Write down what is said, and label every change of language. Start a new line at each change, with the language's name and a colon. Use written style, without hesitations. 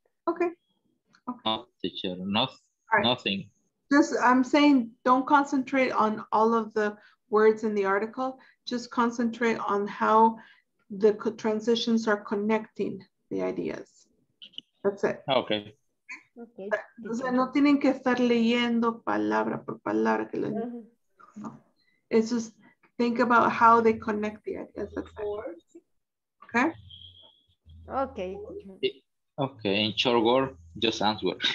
English: Okay. No, teacher. Nothing. Just I'm saying, don't concentrate on all of the words in the article. Just concentrate on how the transitions are connecting the ideas. That's it. Okay. Okay.
Spanish: O sea, no tienen que estar leyendo palabra por palabra. Que les... mm-hmm. No.
English: It's just think about how they connect the ideas. That's it. Okay. Okay. Okay, in short word, just answer.